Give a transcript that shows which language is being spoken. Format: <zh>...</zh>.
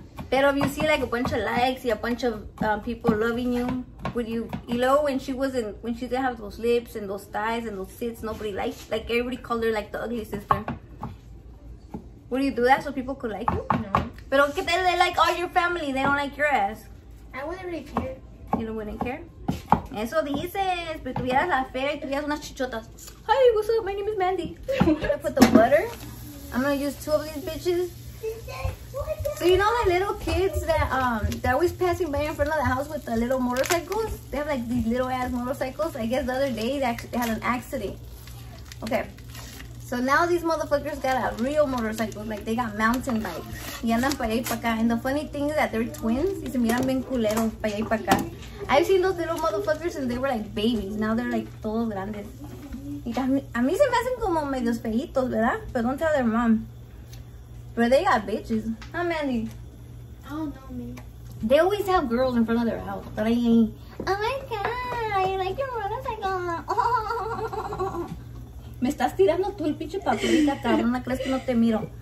<en>But if you see like a bunch of likes, a bunch of people loving you, would you? You know, when she didn't have those lips and those thighs and those tits, nobody liked. Like everybody called her like the ugly sister. Would you do that so people could like you? No.</en> <es>Pero que</es> <en>they like all your family, they don't like your ass. I wouldn't really care. You don't wouldn't care?</en> <es>Eso dices, pero tuvieras la fe y tuvieras unas chichotas.</es> <en>Hi, what's up? My name is Mandy. I'm gonna put the butter. I'm gonna use two of these bitches. So you know the little kids that they're always passing by in front of the house with the little motorcycles? They have like these little ass motorcycles. I guess the other day they had an accident. Okay. So now these motherfuckers got a real motorcycle, like they got mountain bikes.</en> <es>Y andan para allá y para acá.</es> <en>And the funny thing is that they're twins.</en> <es>Y se miran bien culeros para allá y para acá.</es> <en>I've seen those little motherfuckers since they were like babies. Now they're like</en> <es>todos grandes. Y a mí se me hacen como medios feitos, ¿verdad?</es> <en>But don't tell their mom. But they got bitches. How many? I don't know, man. They always have girls in front of their house. But I ain't. Oh my god, I like your motorcycle.</en> <es>Me estás tirando tú el pinche paprika, cabrón, ¿no crees que no te miro?</es>